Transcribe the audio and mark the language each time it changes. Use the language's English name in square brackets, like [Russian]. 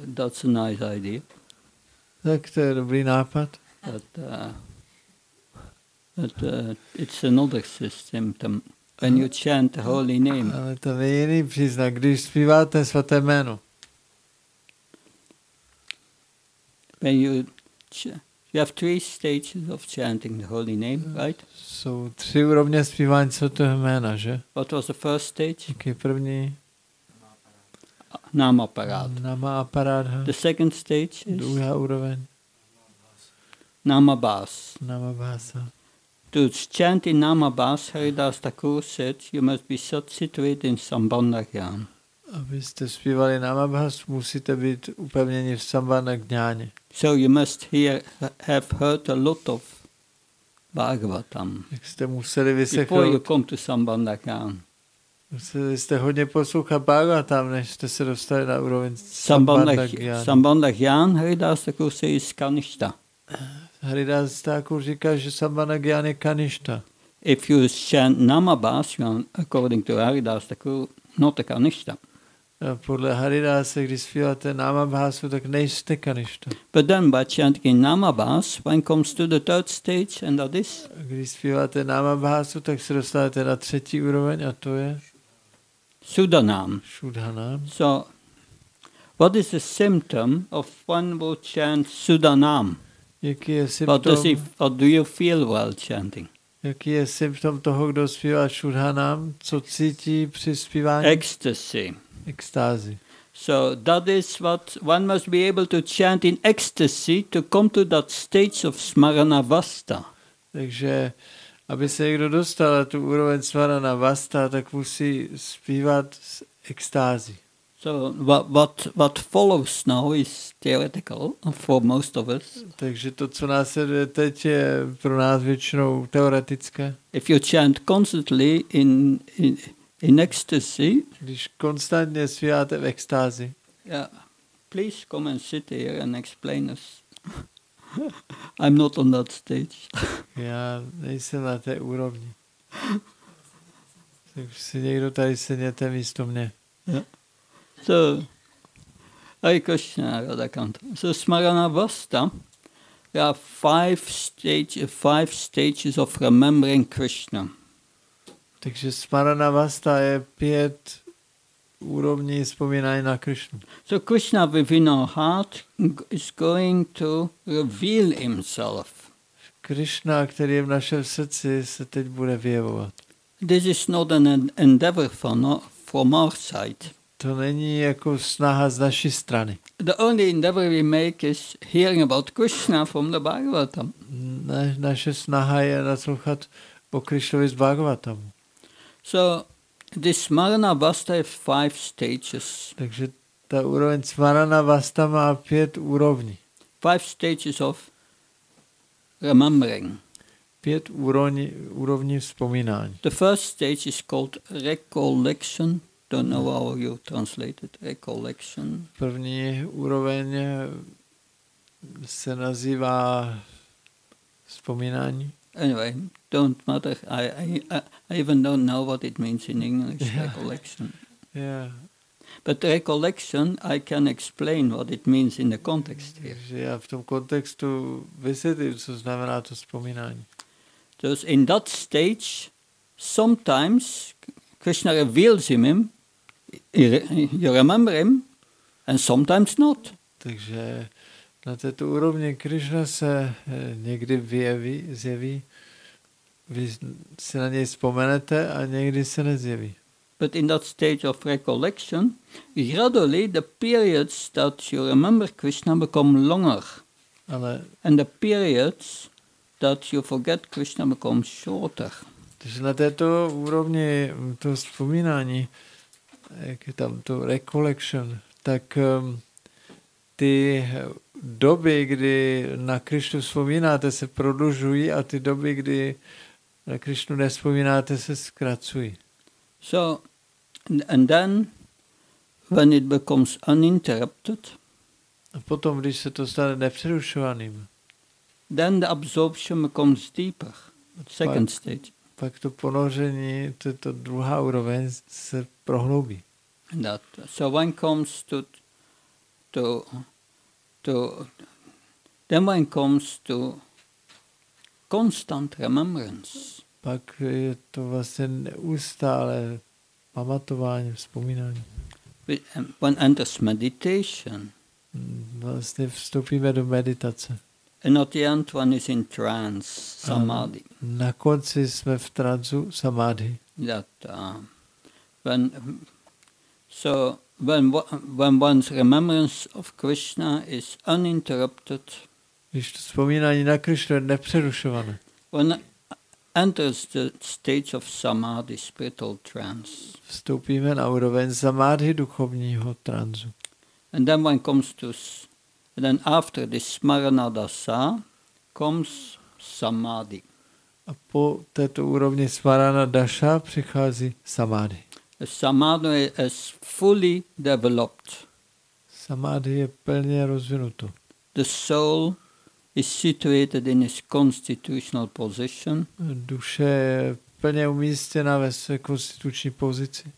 [English] That's a nice idea. [Czech] Tak to je dobrý nápad. [English] But it's another system. When you chant the holy name. [Czech] Ale to je jiný příznak, když zpíváte svaté jméno. [English] When you have three stages of chanting the holy name, right? [Czech] Jsou tři úrovně zpívání svatého jména, že? [English] What was the first stage? [Czech] Jaký je první? [English] Namaparad. [Czech] Namaparad. [English] The second stage is? [Czech] Druhá úroveň. [English] Namabhas. [Czech] Namabhasa. [English] To chant in Namabhas, Haridas Thakur said, you must be situated in Sambandhagyan. [Czech] Abyste zpívali Namabhas, musíte být upevněni v Sambandhagyáně. [English] So you must hear, have heard a lot of Bhagavatam. [Czech] Tak jste museli vyslechnout. [English] Before you come to Sambandhagyan. [Czech] Museli jste hodně poslouchat Bhagavatam, než jste se dostali na úroveň Sambandhagyan. [English] Sambandhagyan, Haridas Thakur said, is Kanishta. [Czech] Haridas Thakur říká, že Sambandhagyan je kaništa. [English] If you chant Namabhas, according to Haridas Thakur, not a kaništa. [Czech] Podle Haridas, když zpíváte Namabhasu, tak nejste kaništa. [English] But then by chanting Namabhas, one comes to the third stage and that is? [Czech] Když zpíváte Namabhasu, tak se dostáváte na třetí úroveň a to je? [English] Sudhanam. [Czech] Sudhanam. [English] So, what is the symptom of one who chants Sudhanam? [Czech] Jaký je symptom, [English] or do you feel while chanting? [Czech] Jaký je symptom toho, kdo zpívá Sudhanam? Co cítí při zpívání? [English] Ecstasy. [Czech] Ekstázy. [English] So that is what one must be able to chant in ecstasy to come to that stage of Smaranavasta. [Czech] Takže, aby se někdo dostal na tu úroveň Smaranavasta, tak musí zpívat z ekstázy. [English] So what follows now is theoretical for most of us. [Czech] Takže to, co následuje teď, je pro nás většinou teoretické. [English] If you chant constantly in ecstasy, [Czech] když konstantně zpíváte v extázi. [English] Yeah, please come and sit here and explain us. I'm not on that stage. [Czech] Já nejsem na té úrovni. Tak si někdo tady sedněte místo mě. [English] Yeah. So, Hare Krishna, Radha Kanta. So, Smaranavasta, there are five stages of remembering Krishna. [Czech] Takže Smaranavasta je pět úrovní vzpomínání na Krishna. [English] So, Krishna within our heart is going to reveal himself. [Czech] Krishna, který je v našem srdci, se teď bude vyjevovat. [English] This is not an endeavor from our side. [Czech] To není jako snaha z naší strany. [English] The only endeavor we make is hearing about Krishna from the Bhagavatam. [Czech] Naše snaha je naslouchat o Krišnovi z Bhagavatam. [English] So this Smaranavasta has five stages. [Czech] Takže ta úroveň Smaranavasta má pět úrovní. [English] Five stages of remembering. [Czech] Pět úrovní vzpomínání. [English] The first stage is called recollection. I don't know how you translate it, recollection. [Czech] První úroveň se nazývá vzpomínání. [English] Anyway, don't matter. I even don't know what it means in English, yeah. Recollection. Yeah. But recollection, I can explain what it means in the context here. [Czech] Že já v tom kontextu vysvětlím, co znamená to vzpomínání. [English] So in that stage, sometimes Krishna reveals him. You remember him, and sometimes not. [Czech] Takže na této úrovni Krishna se někdy vyjeví, zjeví. Vy se na něj vzpomenete a někdy se nezjeví. [English] But in that stage of recollection, gradually the periods that you remember Krishna become longer. [Czech] Ale, [English] and the periods that you forget Krishna become shorter. [Czech] Takže na této úrovni to vzpomínání, jak je tam to recollection, tak ty doby, kdy na Krišnu vzpomínáte, se prodlužují a ty doby, kdy na Krišnu nespomínáte, se zkracují. [English] So, and then, when it becomes uninterrupted, [Czech] a potom, když se to stane nepřerušovaným, [English] then the absorption becomes deeper, second stage. [Czech] Pak to ponoření, to je to druhá úroveň, se prohloubí. [English] That. So one comes to then one comes to constant remembrance. [Czech] Pak je to vlastně neustále pamatování, vzpomínání. [English] One enters meditation. [Czech] Vlastně vstoupíme do meditace. [English] And at the end one is in trance, samadhi. [Czech] Na konci jsme v transu, samadhi. [English] When one's remembrance of Krishna is uninterrupted. [Czech] Když to vzpomínání na Krishna je nepřerušované. [English] One enters the stage of samadhi, spiritual trance. [Czech] Vstoupíme na úroveň samadhi, duchovního transu. [English] And then one comes to, and then after this smaranadasa comes samadhi. [Czech] A po této úrovni smaranadasa přichází samadhi. [English] Samadhi is fully developed. [Czech] Samadhi je plně rozvinuto. [English] The soul is situated in its constitutional position. [Czech] Duše je plně umístěna ve své konstituční pozici.